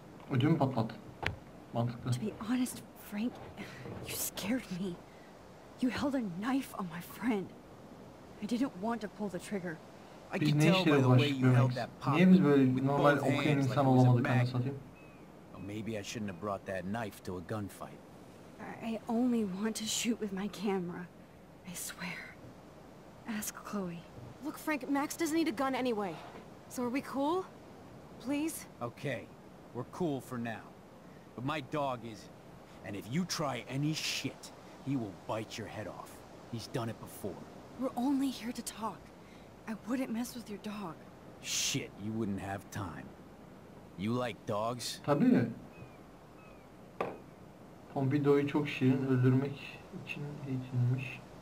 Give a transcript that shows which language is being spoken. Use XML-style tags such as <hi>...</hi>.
<tr>Ödüm patlat. Mantıklı.</tr> <en>To be honest, Frank, you scared me. You held a knife on my friend. I didn't want to pull the trigger.</en> <tr>Biz ne işlere bulaşmıyoruz? Niye biz böyle normal okuyan insan olamadık anı satayım?</tr> <en>Or maybe I shouldn't have brought that knife to a gunfight. I only want to shoot with my camera. I swear. Ask Chloe. Look, Frank, Max doesn't need a gun anyway. So are we cool? Please? Okay. We're cool for now. But my dog isn't. And if you try any shit, he will bite your head off. He's done it before. We're only here to talk. I wouldn't mess with your dog. Shit, you wouldn't have time. You like dogs?</en> <tr>Tabii. Pompidou'yu çok şirin, öldürmek için eğitilmiş.</tr>